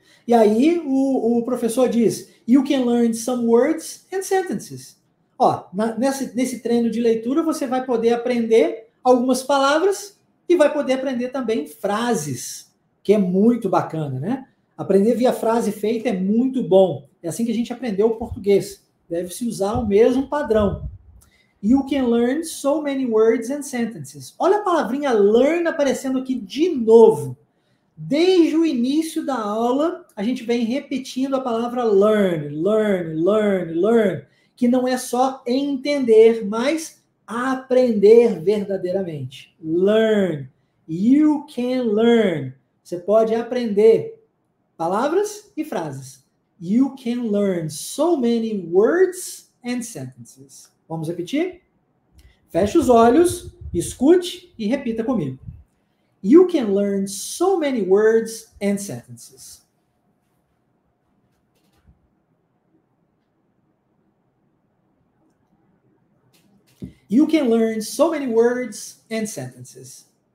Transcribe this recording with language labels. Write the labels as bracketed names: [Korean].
[Portuguese] E aí o professor diz: [English] You can learn some words and sentences. [Portuguese] Ó, nesse treino de leitura você vai poder aprender algumas palavras e vai poder aprender também frases, que é muito bacana, né? Aprender via frase feita é muito bom. É assim que a gente aprendeu o português. Deve-se usar o mesmo padrão. [English] You can learn so many words and sentences. [Portuguese] Olha a palavrinha learn aparecendo aqui de novo. Desde o início da aula, a gente vem repetindo a palavra learn, learn, learn, learn, que não é só entender, mas aprender verdadeiramente. Learn. [English] You can learn. [Portuguese] Você pode aprender palavras e frases. [English] You can learn so many words and sentences. [Portuguese] Vamos repetir? Feche os olhos, escute e repita comigo. [English] You can learn so many words and sentences. You can learn so many words and sentences.